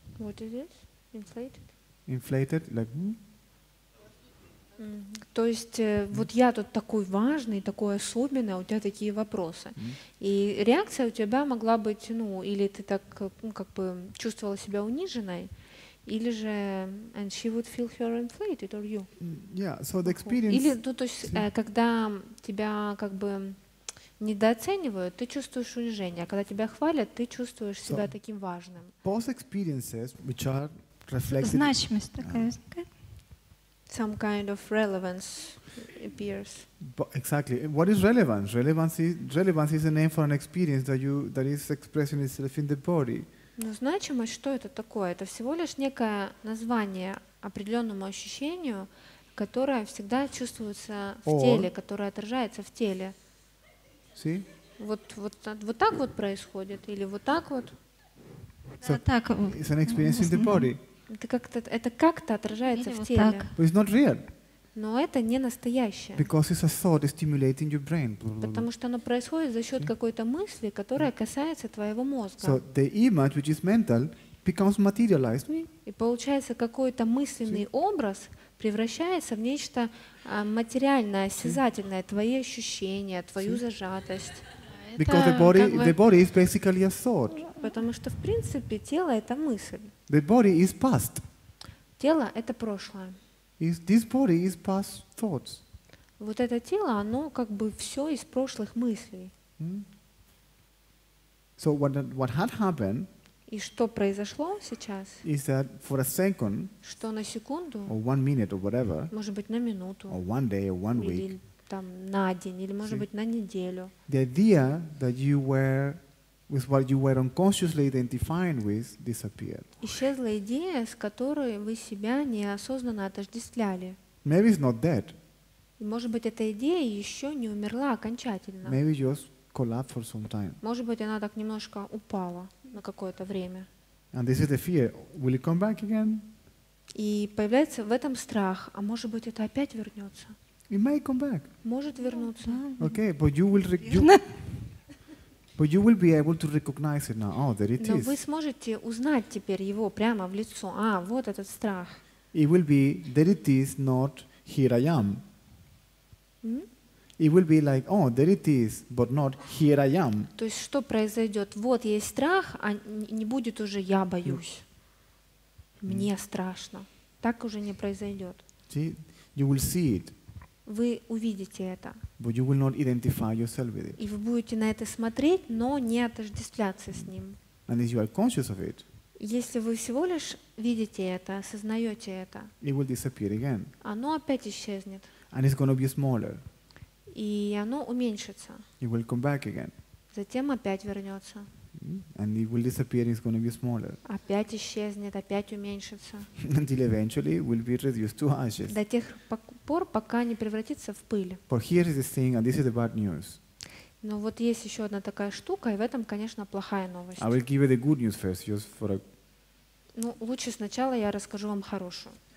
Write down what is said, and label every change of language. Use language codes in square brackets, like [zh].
[en] What is it? Inflated. Inflated, like. [ru] То есть вот я тут такой важный, такой особенный, а у тебя такие вопросы. И реакция у тебя могла быть, ну, или ты так, ну, как бы чувствовала себя униженной, Или же, [en] and she would feel her inflated, or you. Yeah, so the experience. [ru] Или, ну, то есть, когда тебя как бы недооценивают, ты чувствуешь унижение, а когда тебя хвалят, ты чувствуешь себя so, таким важным. [en] Both experiences, which are reflected. [ru] Значимость такая возникает. [en] Some kind of relevance appears. But exactly. What is relevance? Relevance is a name for an experience that you that is expressing itself in the body. [ru] Но значимость, что это такое? Это всего лишь некое название определенному ощущению, которое всегда чувствуется в теле, которое отражается в теле. [en] See? [ru] Вот так вот происходит или вот так вот? So, да, так. [en] It's an experience in the body. [ru] Это как-то отражается или в теле. Так. [en] But it's not real. [ru] Но это не настоящее. [en] Because it's a thought stimulating your brain. [ru] Потому что оно происходит за счет какой-то мысли, которая касается твоего мозга. [en] So the image, which is mental, becomes materialized. [ru] И получается какой-то мысленный образ превращается в нечто материальное, осязательное, твои ощущения, твою зажатость. [en] Because the body is basically a thought. [ru] Потому что в принципе тело это мысль. [en] The body is past. [ru] Тело это прошлое. [en] Is this body is past thoughts? [ru] Вот это тело, оно как бы все из прошлых мыслей. [en] So what had happened? [ru] И что произошло сейчас? [en] Is that for a second? [ru] Что на секунду? [en] Or 1 minute or whatever? [ru] Может быть на минуту? [en] Or 1 day or 1 week? [ru] Или там на день или может быть на неделю? [en] The idea that you were with what you were unconsciously identifying with disappeared. [ru] Исчезла идея, с которой вы себя неосознанно отождествляли. [en] Maybe it's not dead. [ru] Может быть, эта идея еще не умерла окончательно. [en] Maybe just collapsed for some time. [ru] Может быть, она так немножко упала на какое-то время. [en] And this is the fear. Will it come back again? [ru] И появляется в этом страх. А может быть, это опять вернется? [en] It may come back. [ru] Может вернуться. [en] Okay, but you will. But you will be able to recognize it now. Oh, there it [ru] Но [en] is. [ru] Но вы сможете узнать теперь его прямо в лицо. А, вот этот страх. [en] It will be there it is, not here I am. It will be like, oh, there it is, but not here I am. [ru] То есть что произойдет? Вот есть страх, а не будет уже я боюсь. Мне страшно. Так уже не произойдет. [en] See, you will see it. [ru] Вы увидите это. [en] But you will not identify yourself with it. [ru] И вы будете на это смотреть, но не отождествляться с ним. [en] And if you are conscious of it, [ru] если вы всего лишь видите это, осознаете это, [en] it will disappear again. [ru] Оно опять исчезнет. [en] And it's gonna be smaller. [ru] И оно уменьшится. [en] It will come back again. [ru] Затем опять вернется. [en] And it will disappear, it's going to be smaller. [ru] Опять исчезнет, опять уменьшится. [en] Until eventually it will be reduced to ashes. [ru] До тех пор, пока не превратится в пыль. [en] But here is the thing, and this is the bad news. [ru] Но вот есть еще одна такая штука, и в этом, конечно, плохая новость. [en] I will give you the good news first, just for a... [ru] Ну, лучше сначала я расскажу вам хорошую.